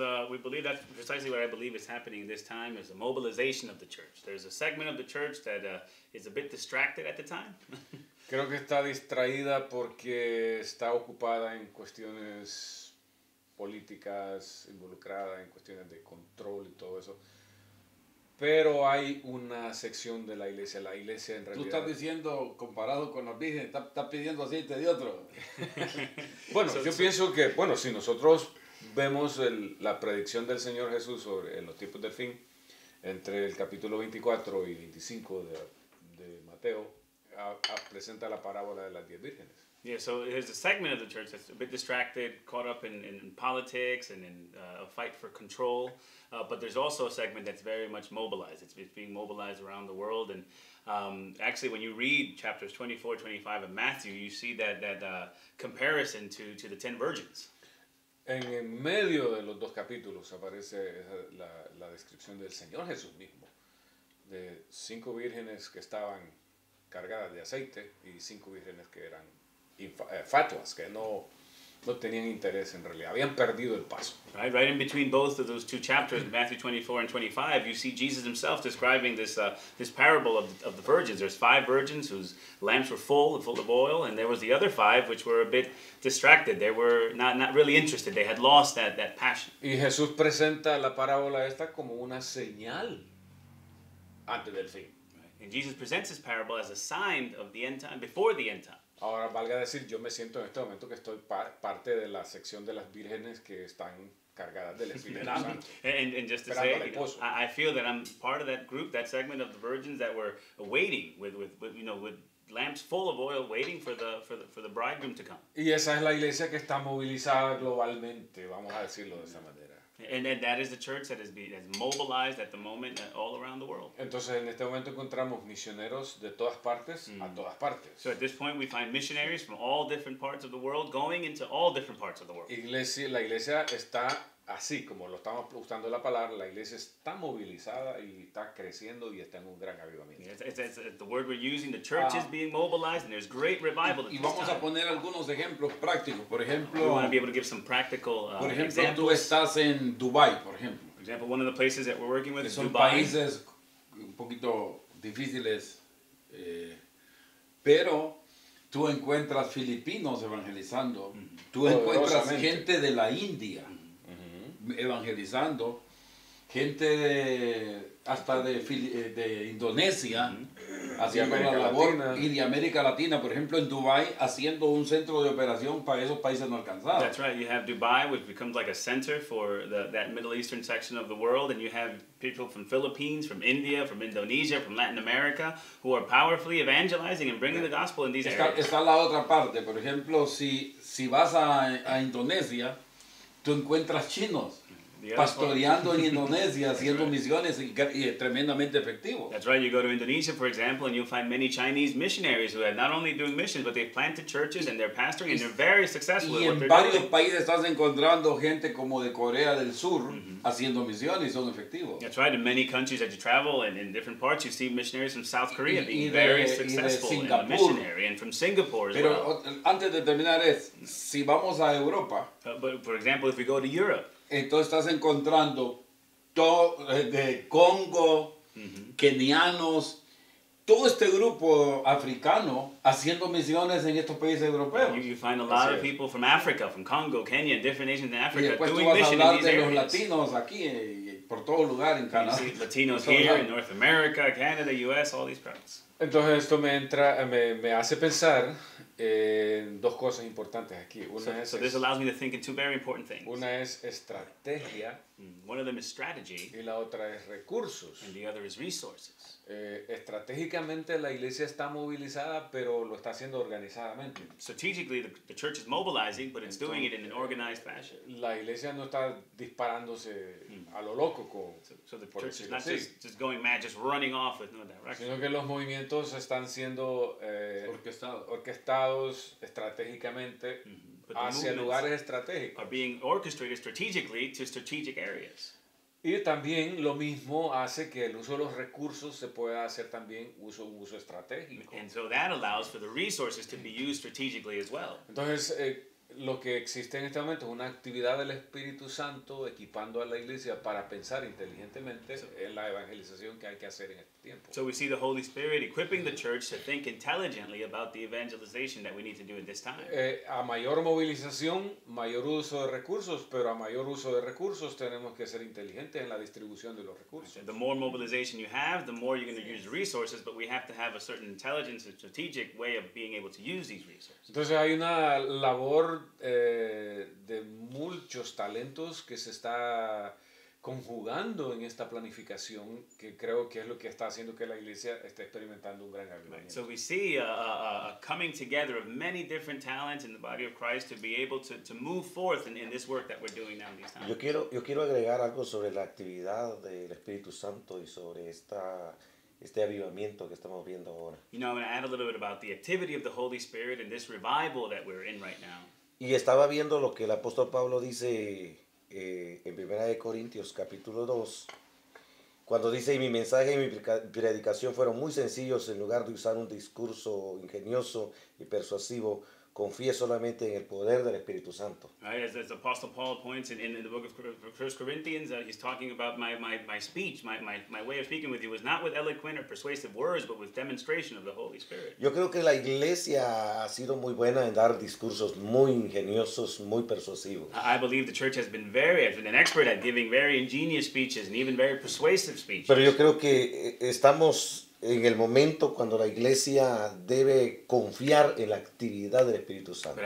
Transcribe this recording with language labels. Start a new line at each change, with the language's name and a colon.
English: We believe that's precisely what I believe is happening this time is the mobilization of the church. There's a segment of the church that is a bit distracted at the time.
Spanish: Creo que está distraída porque está ocupada en cuestiones políticas, involucrada en cuestiones de control y todo eso. Pero hay una sección de la iglesia en realidad. Tú estás diciendo, comparado con los vírgenes, estás pidiendo aceite de otro. Bueno, pienso que, bueno, si nosotros vemos la predicción del Señor Jesús sobre los tiempos del fin, entre el capítulo 24 y 25 de Mateo, presenta la parábola de las 10 vírgenes.
English: Yeah, so there's a segment of the church that's a bit distracted, caught up in politics and in a fight for control. But there's also a segment that's very much mobilized. It's being mobilized around the world. And actually, when you read chapters 24, 25 of Matthew, you see that comparison to the 10 virgins.
Spanish: En medio de los dos capítulos aparece la descripción del Señor Jesús mismo, de 5 vírgenes que estaban cargadas de aceite y 5 vírgenes que eran fatuas, que no tenían interés en realidad, habían perdido el paso.
English: Right in between both of those two chapters, Matthew 24 and 25, you see Jesus himself describing this parable of the virgins. There's 5 virgins whose lamps were full of oil, and there was the other 5 which were a bit distracted. They were not really interested. They had lost that passion.
Spanish: Y Jesús presenta la parábola esta como una señal antes del fin.
English: Right. And Jesus presents this parable as a sign of the end time, before the end time.
Spanish: Ahora valga decir, yo me siento en este momento que estoy parte de la sección de las vírgenes que están cargadas del Espíritu Santo.
English: And just to say, I feel that I'm part of that group, that segment of the virgins that were waiting with you know, with lamps full of oil, waiting for the bridegroom to come.
Spanish: Y esa es la iglesia que está movilizada globalmente, vamos a decirlo de esa manera.
English: And that is the church that is mobilized at the moment all around the world.
Spanish: Entonces, en este momento encontramos misioneros de todas partes, a todas partes.
English: So at this point we find missionaries from all different parts of the world going into all different parts of the world.
Spanish: La iglesia está así, como lo estamos usando la palabra, la iglesia está movilizada y está creciendo y está en un gran avivamiento.
English: It's the word we're using, the church is being mobilized and there's great revival.
Spanish: Y vamos a poner algunos ejemplos prácticos. Por ejemplo,
English: we want to be able to give some practical examples.
Spanish: Por ejemplo, tú estás en Dubai, por ejemplo.
English: For example, one of the places that we're working with is
Spanish: son
English: Dubai.
Spanish: Son países un poquito difíciles, pero tú encuentras filipinos evangelizando, tú encuentras gente de la India evangelizando, gente de Indonesia, haciendo la labor, y de América Latina, por ejemplo, en Dubai, haciendo un centro de operación para esos países no alcanzados.
English: That's right, you have Dubai, which becomes like a center for that Middle Eastern section of the world, and you have people from Philippines, from India, from Indonesia, from Latin America, who are powerfully evangelizing and bringing the gospel in these areas.
Spanish: Está la otra parte, por ejemplo, si vas a Indonesia, tú encuentras chinos pastoreando en Indonesia, haciendo
English: right.
Spanish: misiones y es tremendamente efectivo.
English: That's right. You go to Indonesia, for example, and you'll find many Chinese missionaries who are not only doing missions, but they've planted churches and they're pastoring and they're very successful at what they're doing.
Spanish: Y en varios países estás encontrando gente como de Corea del Sur haciendo misiones y son efectivos.
English: That's right. In many countries that you travel and in different parts, you see missionaries from South Korea being very successful and a missionary and from Singapore as
Spanish: Pero,
English: well.
Spanish: Pero antes de terminar es, si vamos a Europa.
English: But for example, if we go to Europe.
Spanish: Entonces estás encontrando todo de Congo, kenianos, todo este grupo africano haciendo misiones en estos países europeos.
English: You find a lot of people from Africa, from Congo, Kenya, different nations in Africa doing missions.
Spanish: Y después tú vas a hablar de
English: areas.
Spanish: Los latinos aquí por todo lugar en Canadá.
English: You see latinos here in North America, Canada, U.S., all these parts.
Spanish: Entonces esto me hace pensar en dos cosas importantes aquí. Una
English: so,
Spanish: es,
English: so this allows me to think in two very important things.
Spanish: Una es estrategia.
English: One of them is strategy.
Spanish: Y la otra es recursos.
English: And the other is resources.
Spanish: Estratégicamente la iglesia está movilizada, pero lo está haciendo organizadamente.
English: Strategically, the church is mobilizing, but it's doing it in an organized fashion.
Spanish: La iglesia no está disparándose a lo loco.
English: So the church is not just going mad, just running off with no direction.
Spanish: Sino que los movimientos están siendo orquestados estratégicamente. Hacia lugares estratégicos.
English: Are being orchestrated strategically to strategic areas.
Spanish: Y también lo mismo hace que el uso de los recursos se pueda hacer también un uso estratégico.
English: And so that allows for the resources to be used strategically as well.
Spanish: Entonces, lo que existe en este momento es una actividad del Espíritu Santo equipando a la iglesia para pensar inteligentemente en la evangelización que hay que hacer en este tiempo.
English: So we see the Holy Spirit equipping the church to think intelligently about the evangelization that we need to do at this time.
Spanish: A mayor movilización, mayor uso de recursos, pero a mayor uso de recursos tenemos que ser inteligentes en la distribución de los recursos.
English: The more mobilization you have, the more you're going to use resources, but we have to have a certain intelligence and strategic way of being able to use these resources.
Spanish: Entonces hay una labor de muchos talentos que se está conjugando en esta planificación, que creo que es lo que está haciendo que la iglesia esté experimentando un gran avivamiento.
English: So we see a coming together of many different talents in the body of Christ to be able to move forth in this work that we're doing now in these times.
Spanish: Yo quiero agregar algo sobre la actividad del Espíritu Santo y sobre este avivamiento que estamos viendo ahora.
English: You know, I'm going to add a little bit about the activity of the Holy Spirit and this revival that we're in right now.
Spanish: Y estaba viendo lo que el apóstol Pablo dice en 1 Corintios capítulo 2, cuando dice, y mi mensaje y mi predicación fueron muy sencillos, en lugar de usar un discurso ingenioso y persuasivo, confié solamente en el poder del Espíritu Santo.
English: Right, as the apostle Paul points in the book of 1 Corinthians, he's talking about my speech, my way of speaking with you was not with eloquent or persuasive words, but with demonstration of the Holy Spirit.
Spanish: Yo creo que la iglesia ha sido muy buena en dar discursos muy ingeniosos, muy persuasivos.
English: I believe the church has been an expert at giving very ingenious speeches and even very persuasive speeches.
Spanish: Pero yo creo que estamos en el momento cuando la iglesia debe confiar en la actividad del Espíritu Santo.